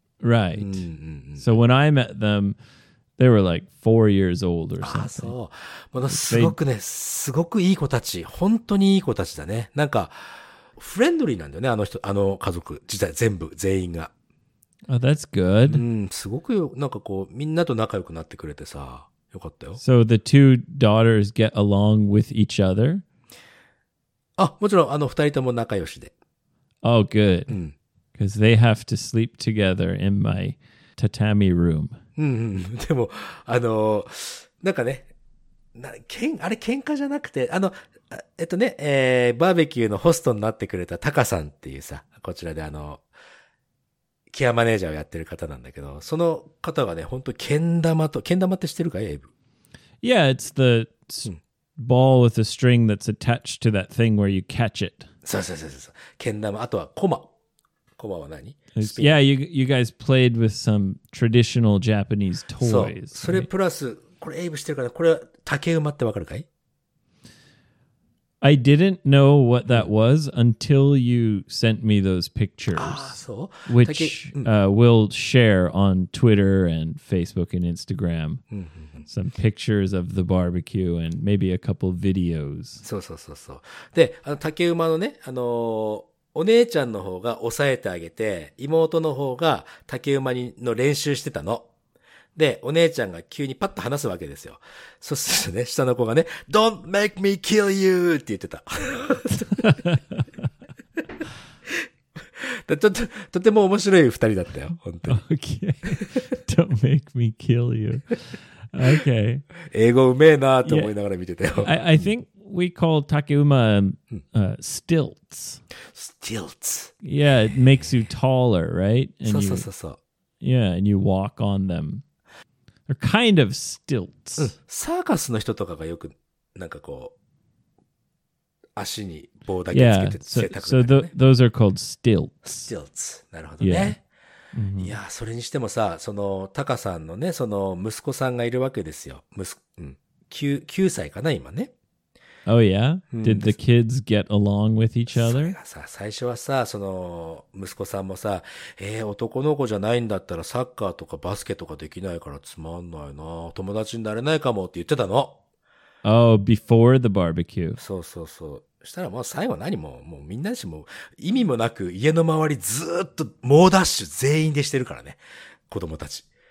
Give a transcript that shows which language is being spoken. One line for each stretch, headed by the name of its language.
English: Right. Mm-hmm. So when I met them, they were like 4 years old or something.
Japanese: あ、そう。ものすごくね、すごくいい子たち。本当にいい子たちだね。なんか、フレンドリーなんだよね、あの人、あの家族。実は全部、全員が。
English: Oh, that's good.
Japanese: うん、すごくよ、なんかこう、みんなと仲良くなってくれてさ、よかったよ。
English: So the two daughters get along with each other?
Japanese: あ、もちろん、あの二人とも仲良しで。
English: Oh, good. うん。 Because they have to sleep together in my tatami room.
Japanese: でも、なんかね、あれ喧嘩じゃなくて、バーベキューのホストになってくれたタカさんっていうさ、こちらでケアマネージャーをやってる方なんだけど、その方がね、本当剣玉って知ってるかエイブ
English: ？Yeah, it's the ball with a string that's attached to that thing where you catch it.
Japanese: そうそうそうそうそう。剣玉、あとはコマ。コマは何?
English: Yeah, you guys played with some traditional Japanese toys.
Japanese: そう。それプラス、これエイブ知ってるかな?これ竹馬ってわかるかい?
English: I didn't know what that was until you sent me those pictures.
Japanese: ああ、そう?
English: Which, we'll share on Twitter and Facebook and Instagram. Some pictures of the barbecue and maybe a couple videos.
Japanese: そうそうそうそう。で、あの竹馬のね、お姉ちゃんの方が押さえてあげて、妹の方が竹馬の練習してたの。で、お姉ちゃんが急にパッと話すわけですよ。そうするとね、下の子がね、
English: Don't make me kill you!
Japanese: って言ってた。とても面白い二人だったよ、本当に。
English: Okay. Don't make me kill you. Okay.
Japanese: 英語うめえなと思いながら見てたよ。
English: Yeah. I think... We call Takeuma stilts. Stilts. Yeah, it makes you taller, right?
Japanese: And そうそうそうそう。
English: Yeah, and you walk on them. They're kind of stilts.
Japanese: サーカスの人とかがよくなんかこう足に棒だけつけて背高くね。
English: So those are called stilts. Stilts.
Japanese: なるほどね。
English: Yeah.
Japanese: Mm-hmm. いやそれにしてもさ、そのタカさんのね、その息子さんがいるわけですよ。 9歳かな、今ね。
English: Oh yeah? Did the kids get along with each other?
Japanese: それがさ、最初はさ、その息子さんもさ、男の子じゃないんだったらサッカーとかバスケとかできないからつまんないな、友達になれないかもって言ってたの。
English: Oh, before the barbecue.
Japanese: そうそうそう。したらもう最後何も、もうみんなしも意味もなく家の周りずーっと猛ダッシュ全員でしてるからね、子供たち。